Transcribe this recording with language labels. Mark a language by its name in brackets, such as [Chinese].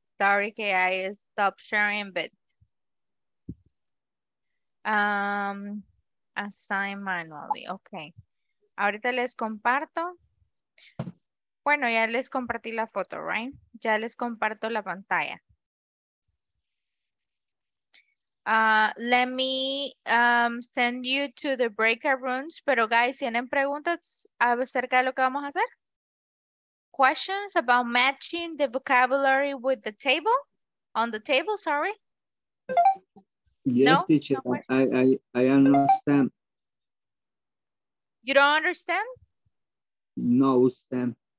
[English] Sorry que I stopped sharing, but assign manually, okay. [Spanish] Ahorita les comparto. Bueno, ya les compartí la foto, [English] right? [Spanish] Ya les comparto la pantalla. [English] Let me send you to the breakout rooms. [Spanish] Pero guys, ¿tienen preguntas acerca de lo que vamos a hacer? [English] Questions about matching the vocabulary with the table? On the table, sorry. Yes, no? Teacher, no, I understand. You don't understand? No, stand.